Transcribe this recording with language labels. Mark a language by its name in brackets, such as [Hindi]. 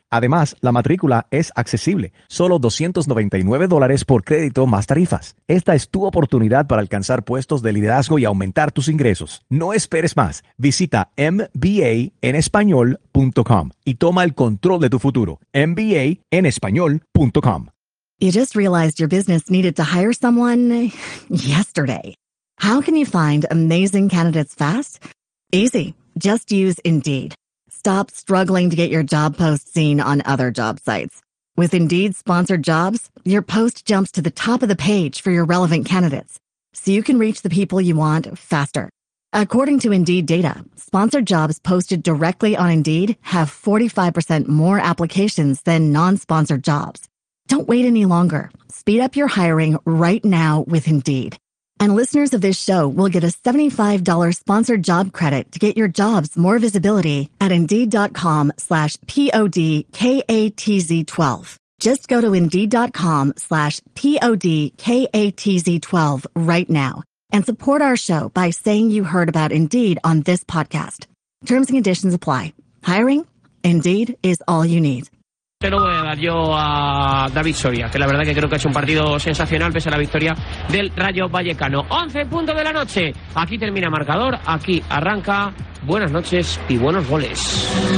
[Spanish] Además, la matrícula es accesible, solo $299 por crédito más tarifas. Esta es tu oportunidad para alcanzar puestos de liderazgo y aumentar tus ingresos. No esperes más. Visita mbaenespañol.com y toma el control de tu futuro. mbaenespañol.com. [English] You just realized your business needed to hire someone yesterday. How can you find amazing candidates fast? Easy. Just use Indeed. Stop struggling to get your job posts seen on other job sites. With Indeed sponsored jobs, your post jumps to the top of the page for your relevant candidates, so you can reach the people you want faster. According to Indeed data, sponsored jobs posted directly on Indeed have 45% more applications than non-sponsored jobs. Don't wait any longer. Speed up your hiring right now with Indeed. And listeners of this show will get a $75 sponsored job credit to get your jobs more visibility at Indeed.com/PODKATZ12. Just go to Indeed.com/PODKATZ12 right now and support our show by saying you heard about Indeed on this podcast. Terms and conditions apply. Hiring? Indeed is all you need. [Spanish] Te lo voy a dar yo a David Soria, que la verdad que creo que ha hecho un partido sensacional pese a la victoria del Rayo Vallecano. 11 puntos de la noche. Aquí termina Marcador, aquí arranca. Buenas noches y buenos goles.